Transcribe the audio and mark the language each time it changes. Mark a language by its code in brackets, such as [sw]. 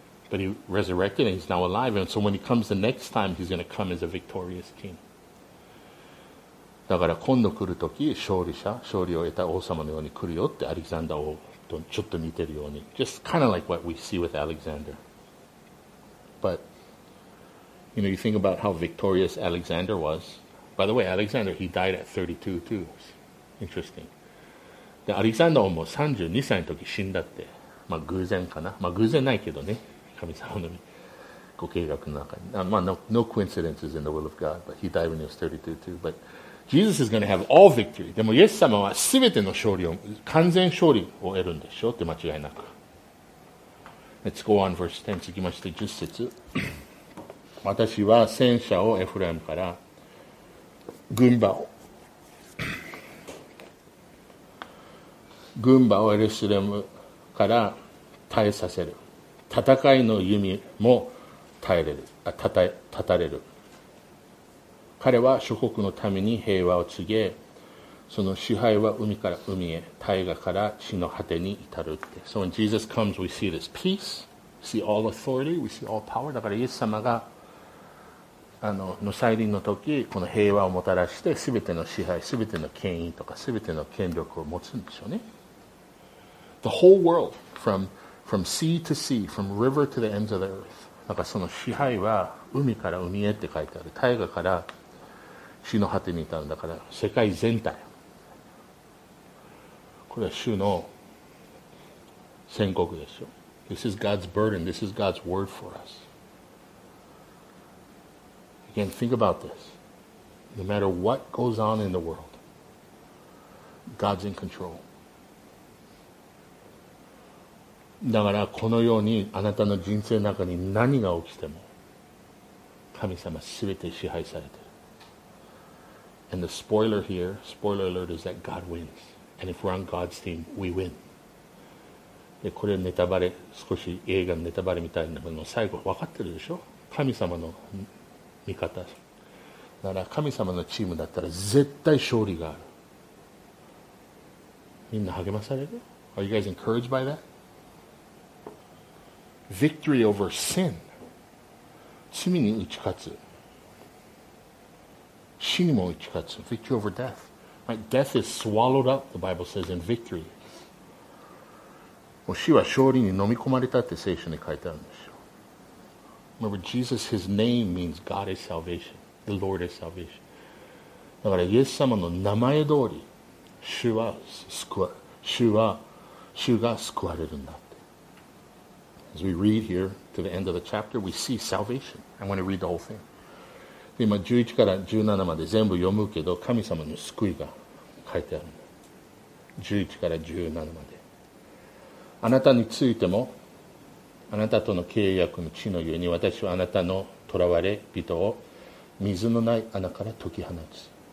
[en] But he resurrected and he's now alive. And so when he comes the next time, he's going to come as a victorious king. [ja] だから今度来るとき勝利者、勝利を得た王様のように来るよってアレクサンダー王とちょっと似てるように。 [en] Just kind of like what we see with Alexander. But, you know, you think about how victorious Alexander was. By the way, Alexander, he died at 32 too. Interesting. [ja] で、アレクサンダー王も32歳のとき死んだって。まあ偶然かな。まあ偶然ないけどね。神様のご計画の中に。 [en] まあ no coincidences in the will of God, but he died when he was 32 too. But Jesus is going to have all victory. [ja] でもイエス様は全ての勝利を、完全勝利を得るんでしょうって間違いなく。 [en] Let's go on verse 10. [ja] 続きまして10節。私は戦車をエフレムから軍馬をエルサレムから耐えさせる。戦いの弓も耐えれる。立たれる。彼は諸国のために平和を告げ、その支配は海から海へ、大河から地の果てに至るって。 [en] So when Jesus comes, we see this peace, we see all authority, we see all power. [ja] だからイエス様が、の再臨の時、この平和をもたらして、すべての支配、すべての権威とか、すべての権力を持つんでしょうね。 [en] the whole world, from sea to sea, from river to the ends of the earth. [ja] なんかその支配は海から海へって書いてある。大河から地の果てにいたんだから、世界全体。これは主の宣告ですよ。 [en] This is God's burden. This is God's word for us. Again, think about this. No matter what goes on in the world, God's in control. [ja] だからこのようにあなたの人生の中に何が起きても神様すべて支配されている。 [en] And the spoiler here, spoiler alert, is that God wins. And if we're on God's team, we win. [ja] でこれネタバレ、少し映画のネタバレみたいなものを最後分かってるでしょ、神様の味方だから、神様のチームだったら絶対勝利がある。みんな励まされる。 [en] Are you guys encouraged by that? Victory over sin. [ja] 罪に打ち勝つ、死にも打ち勝つ。 [en] Victory over death. Right? Death is swallowed up, the Bible says, in victory. [ja] 死は勝利に飲み込まれたって聖書に書いてあるんですよ。 [en] Remember, Jesus, his name means God is salvation. The Lord is salvation. [ja] だから、イエス様の名前通り、主が救われるんだって。 [en] As we read here to the end of the chapter, we see salvation. I want to read the whole thing. [ja] 今、11から17まで全部読むけど、神様の救いが書いてある。 11から17まで。あなたについても、あなたとの契約の地のゆえに、私はあなたの囚われ人を水のない穴から解き放つ。